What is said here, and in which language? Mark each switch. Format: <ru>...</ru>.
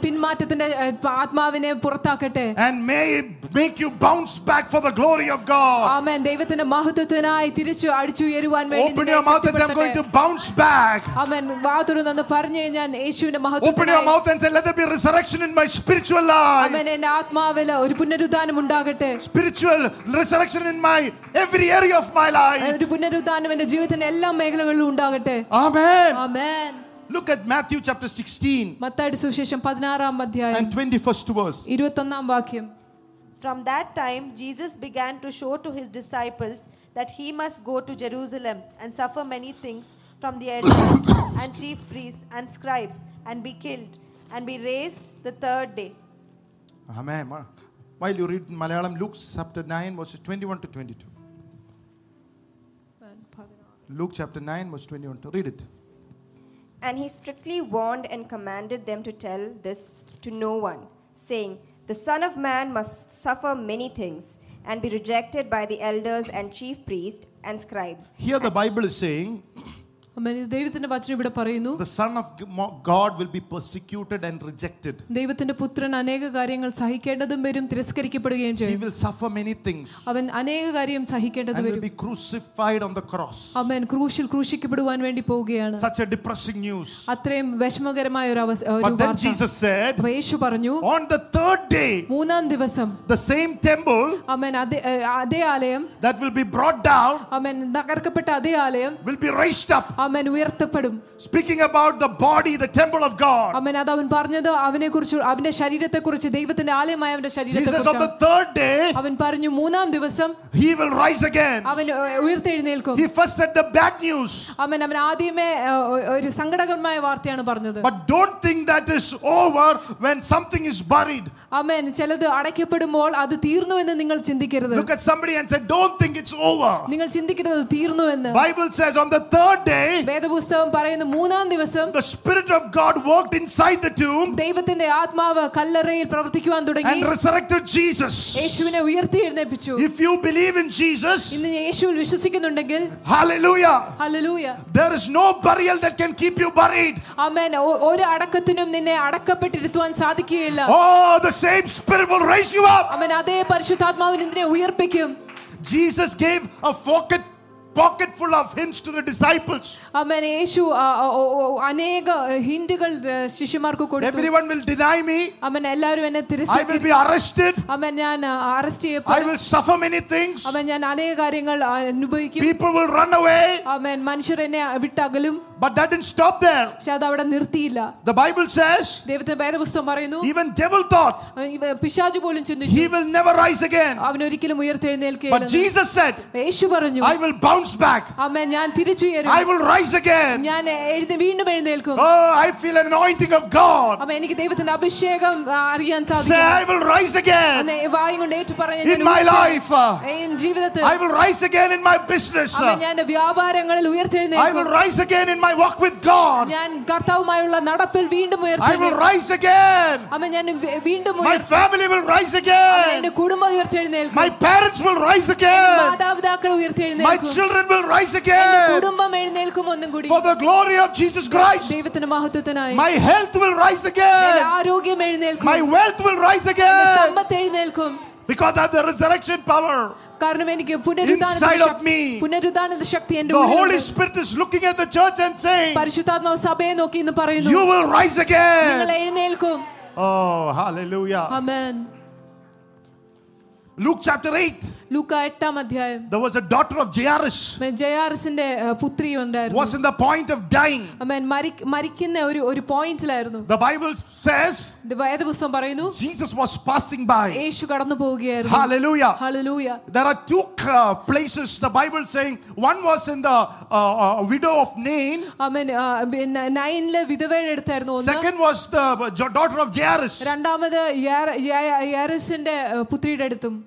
<ml>പിന്മാറ്റത്തിന്റെ ആത്മാവിനെ പുറത്താക്കട്ടെ.</ml> <en>And may it make you bounce back for the glory of God. Amen.</en> <ml>ദൈവത്തിന്റെ മഹത്വത്തിനായി തിരിച്ചു അടിച്ചു ഏരുവാൻ വേണ്ടി.</ml> <en>Open your mouth and I'm going to bounce back. Amen.</en> <ml>വാതുറന്ന് പറഞ്ഞു ഞാൻ യേശുവിന്റെ മഹത്വത്തെ.</ml> <en>Open your mouth and say, let there be resurrection in my spiritual life. Amen.</en> <ml>എന്റെ ആത്മാവിൽ ഒരു പുനരുത്ഥാനം ഉണ്ടാകട്ടെ.</ml> <en>Spiritual resurrection in my every area of my life.</en> <ml>ഒരു പുനരുത്ഥാനം എന്റെ ജീവിതത്തിന്റെ എല്ലാ മേഖലകളിലും ഉണ്ടാകട്ടെ.</ml> <en>Amen. Amen. Look at Matthew chapter 16.</en> <ml>മത്തായിയുടെ സുവിശേഷം 16-ാം അധ്യായം.</ml> <en>And 21st verse.</en> <ml>21-ാം വാക്യം.</ml> <en>From that time Jesus began to show to his disciples that he must go to Jerusalem and suffer many things from the elders and chief priests and scribes and be killed and be raised the third day. Amen. While you read in Malayalam, Luke chapter 9 verses 21 to 22. Luke chapter 9 verse 21 to read it. And he strictly warned and commanded them to tell this to no one, saying, the Son of Man must suffer many things and be rejected by the elders and chief priests and scribes. Here the Bible is saying,</en> <ml>അമേ ദൈവത്തിന്റെ വചനം ഇവിടെ പറയുന്നു,</ml> <en>the Son of God will be persecuted and rejected.</en> <ml>ദൈവത്തിന്റെ പുത്രൻ അനേക കാര്യങ്ങൾ സഹിക്കേണ്ടതും വരും, തിരസ്കരിക്കപ്പെടുകയും ചെയ്യും.</ml> <en>He will suffer many things.</en> <ml>അവൻ അനേക കാര്യം സഹിക്കേണ്ടതും വരും.</ml> <en>And will be crucified on the cross.</en> <ml>അമേ ക്രൂശിൽ ക്രൂശിക്കപ്പെടുവാൻ വേണ്ടി പോവുകയാണ്.</ml> <en>Such a depressing news.</en> <ml>അത്രയും വിഷമകരമായ ഒരു അവസ്ഥ.</ml> <en>But then Jesus said,</en> <ml>യേശു പറഞ്ഞു,</ml> <en>on the third day,</en> <ml>മൂന്നാം ദിവസം,</ml> <en>the same temple,</en> <ml>അമേ അതേ ആലയം,</ml> <en>that will be brought down,</en> <ml>അമേ നഗരക്കപ്പെട്ട അതേ ആലയം,</ml> <en>will be raised up.</en> <ml>Amen. ഉയർത്തപ്പെടും.</ml> <en>Speaking about the body, the temple of God. Amen.</en> <ml>അതവൻ പറഞ്ഞു അവനെ കുറിച്ച്, അവന്റെ ശരീരത്തെ കുറിച്ച്, ദൈവത്തിന്റെ ആലയമായ അവന്റെ ശരീരത്തെ</ml> <en>കുറിച്ച്. Jesus, on the third day,</en> <ml>അവൻ പറഞ്ഞു മൂന്നാം ദിവസം,</ml> <en>he will rise again.</en> <ml>അവൻ ഉയർത്തെഴുന്നേൽക്കും.</ml> <en>He first said the bad news. Amen.</en> <ml>അവൻ ആദ്യമേ ഒരു സങ്കടകരമായ വാർത്തയാണ് പറഞ്ഞത്.</ml> <en>But don't think that is over when something is buried. Amen.</en> <ml>ചിലത് അടയ്ക്കപ്പെടുമ്പോൾ അത് തീർന്നു എന്ന് നിങ്ങൾ ചിന്തിക്കരുത്.</ml> <en>Look at somebody and say, don't think it's over.</en> <ml>നിങ്ങൾ ചിന്തിക്കരുത് തീർന്നു എന്ന്.</ml> <en>Bible says on the third day,</en> <ml>വേദപുസ്തകം പറയുന്ന മൂന്നാം ദിവസം,</ml> <en>the spirit of God worked inside the tomb,</en> <ml>ദൈവത്തിന്റെ ആത്മാവ് കല്ലറയിൽ പ്രവർത്തിക്കുവാൻ തുടങ്ങി,</ml> <en>and resurrected Jesus,</en> <ml>യേശുവിനെ ഉയർത്തെഴുന്നേൽപ്പിച്ചു.</ml> <en>If you believe in Jesus,</en> <ml>ഇന്ന് യേശുവിൽ വിശ്വസിക്കുന്നുണ്ടെങ്കിൽ,</ml> <en>hallelujah, hallelujah, there is no burial that can keep you buried. Amen.</en> <ml>ഒരു അടക്കത്തിനും നിന്നെ അടക്കപ്പെട്ടിരുത്തുവാൻ സാധിക്കുകയില്ല.</ml> <en>Oh, the same spirit will raise you up. Amen.</en> <ml>അതേ പരിശുദ്ധാത്മാവ് നിന്നെ ഉയർപ്പിക്കും.</ml> <en>Jesus gave a pocket full of hints to the disciples.</en> <ml>Amen. Yeshu aneka hintukal shishyamarku koduthu.</ml> <en>Everyone will deny me.</en> <ml>Amen. Ellarum enne</ml> <en>tirisikkum. I will be arrested.</en> <ml>Amen. Naan arrest cheyappadum.</ml> <en>I will suffer many things.</en> <ml>Amen. Naan aneka karyangal anubhavikkum.</ml> <en>People will run away.</en> <ml>Amen. Manushar enne vittagalum.</ml> <en>But that didn't stop there.</en> <ml>പക്ഷേ അത് അവിടെ നിർത്തിയില്ല.</ml> <en>The Bible says,</en> <ml>ദൈവത്തിന്റെ വേദപുസ്തകം പറയുന്നു,</ml> <en>even devil thought,</en> <ml>പിശാച് പോലും ചിന്തിച്ചു,</ml> <en>he will never rise again.</en> <ml>അവൻ ഒരിക്കലും ഉയർത്തെഴുന്നേൽക്കില്ല.</ml> <en>But Jesus said,</en> <ml>യേശു പറഞ്ഞു,</ml> <en>I will bounce back.</en> <ml>ആമേൻ. ഞാൻ തിരിച്ചുയരും.</ml> <en>I will rise again.</en> <ml>ഞാൻ വീണ്ടും എഴുന്നേൽക്കും.</ml> <en>Oh, I feel an anointing of God. ആമേൻ.</en> <ml>എനിക്ക് ദൈവത്തിന്റെ അഭിഷേകം അറിയാൻ സാധിക്കും.</ml> <en>Say, I will rise again.</en> <ml>ആമേൻ. വായും കൊണ്ട് ഏറ്റു പറഞ്ഞു,</ml> <en>in my life,</en> <ml>എൻ ജീവിതത്തിൽ,</ml> <en>I will rise again in my business. ആമേൻ.</en> <ml>ഞാൻ വ്യാപാരങ്ങളിൽ ഉയർത്തെഴുന്നേൽക്കും.</ml> <en>I will rise again in my walk with God.</en> <ml>ഞാൻ കർത്താവുമായുള്ള നടപ്പിൽ വീണ്ടും ഉയർത്തും.</ml> <en>I will rise again.</en> <ml>അമ്മേ ഞാൻ വീണ്ടും</ml> <en>ഉയർത്തും. My family will rise again.</en> <ml>എന്റെ കുടുംബം ഉയർത്തെഴുന്നേൽക്കും.</ml> <en>My parents will rise again.</en> <ml>മാതാപിതാക്കൾ ഉയർത്തെഴുന്നേൽക്കും.</ml> <en>My children will rise again.</en> <ml>എന്റെ കുടുംബം എഴുന്നേൽക്കും ഒന്നും കൂടി.</ml> <en>For the glory of Jesus Christ.</en> <ml>ദൈവത്തിന്റെ മഹത്വത്തിനായി.</ml> <en>My health will rise again.</en> <ml>എന്റെ ആരോഗ്യം എഴുന്നേൽക്കും.</ml> <en>My wealth will rise again.</en> <ml>എന്റെ സമ്പത്ത് എഴുന്നേൽക്കും.</ml> <en>Because I have the resurrection power.</en> <ml>കാരണം എനിക്ക് പുനരുദ്ധാനത്തിന്റെ ശക്തി എന്റെ ഉള്ളിൽ.</ml> <en>The Holy Spirit is looking at the church and saying,</en> <ml>പരിശുദ്ധാത്മാവ് സഭയെ നോക്കി ഇന്ന് പറയുന്നു,</ml> <en>you will rise again.</en> <ml>നിങ്ങൾ എഴുന്നേൽക്കും.</ml> <en>Oh, hallelujah. Amen. Luke chapter 8.</en> <ml>Luka 8-ാം അധ്യായം.</ml> <en>There was a daughter of Jairus.</en> <ml>അമേൻ. ജയാറസിന്റെ പുത്രി ഉണ്ടായിരുന്നു.</ml> <en>Was in the point of dying.</en> <ml>അമേൻ. മരിക്കുന്ന ഒരു ഒരു പോയിന്റിലായിരുന്നു.</ml> <en>The Bible says,</en> <ml>വേദപുസ്തകം പറയുന്നു,</ml> <en>Jesus was passing by.</en> <ml>യേശു കടന്നു പോവുകയായിരുന്നു.</ml> <en>Hallelujah. Hallelujah. There are two places the Bible saying, one was in the widow of Nain.</en> <ml>അമേൻ. നൈനിലെ വിധവയുടെ അടുത്തായിരുന്നു ഒന്ന്.</ml> <en>Second was the daughter of Jairus.</en> <ml>രണ്ടാമത് ജയാറസിന്റെ പുത്രിയുടെ അടുത്തും.</ml>